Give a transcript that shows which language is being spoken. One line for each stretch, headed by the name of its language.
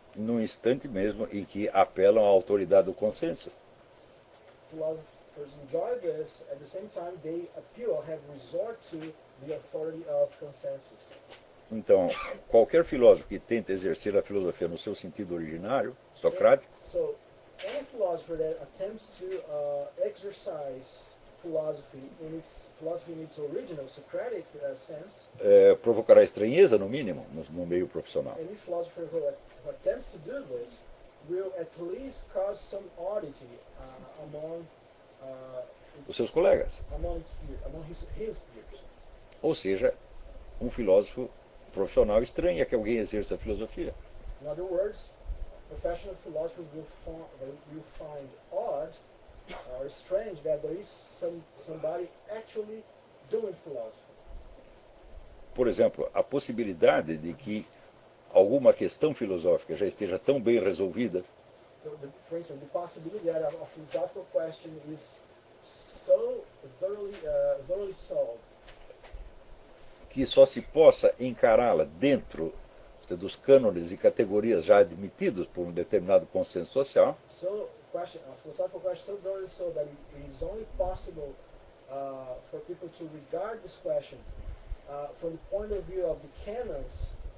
Portuguese: No instante mesmo em que apelam à autoridade do consenso.
English: Philosophers enjoy this at the same time they appeal or have resort to the authority of consensus.
Portuguese: Então, qualquer filósofo que tenta exercer a filosofia no seu sentido originário, socrático.
English: So, any philosopher that attempts to exercise philosophy in its original Socratic sense,
Portuguese: provocará estranheza no mínimo no meio profissional.
English: Any philosopher who attempts to do this will at least cause some oddity among
Portuguese: os seus colegas,
English: among his peers.
Portuguese: Ou seja, um filósofo profissional estranha que alguém exerça a filosofia.
English: In other words, professional philosophers will find odd or strange that there is somebody actually doing philosophy.
Portuguese: Por exemplo, a possibilidade de que alguma questão filosófica já esteja tão bem resolvida.
English: For instance, the possibility that a philosophical question is so thoroughly solved.
Portuguese: Que só se possa encará-la dentro dos cânones e categorias já admitidos por um determinado consenso social.
English: So, a philosophical question is so thoroughly solved that it is only possible for people to regard this question from the point of view of the canons.